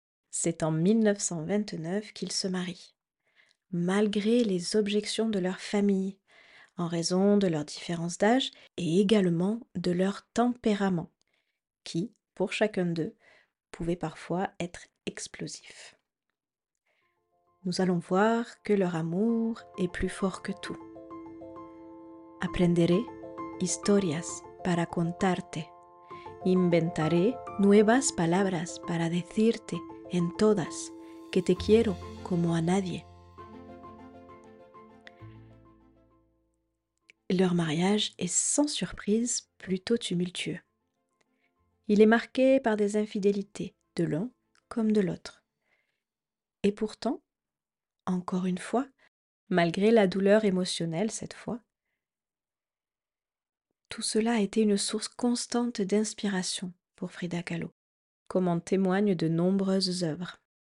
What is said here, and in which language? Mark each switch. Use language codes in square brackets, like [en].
[fr] C'est en 1929 qu'ils se marient, malgré les objections de leur famille, en raison de leur différence d'âge et également de leur tempérament, qui, pour chacun d'eux, pouvait parfois être explosif. Nous allons voir que leur amour est plus fort que tout. [es] Aprenderé historias para contarte. Inventaré nuevas palabras para decirte en todas que te quiero como a nadie. [fr] Leur mariage est sans surprise plutôt tumultueux. Il est marqué par des infidélités de l'un comme de l'autre. Et pourtant, encore une fois, malgré la douleur émotionnelle cette fois, tout cela a été une source constante d'inspiration pour Frida Kahlo, comme en témoignent de nombreuses œuvres.